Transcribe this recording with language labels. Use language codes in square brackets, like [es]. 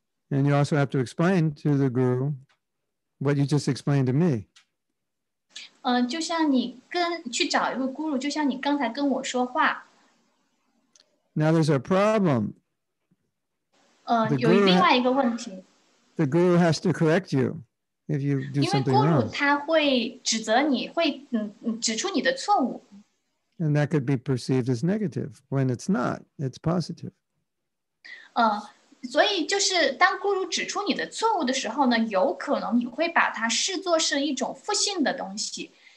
[en] And you also have to explain to the guru what you just explained to me. [zh] 就像你去找一个guru，就像你刚才跟我说话。 [en] Now there's a problem. [zh] 有另外一个问题。 [en] The guru has to correct you if you do something wrong. [zh] 因为guru他会指责你，会指出你的错误。 [en] And that could be perceived as negative when it's not, it's positive. [zh] 所以就是当guru指出你的错误的时候呢，有可能你会把它视作是一种负性的东西。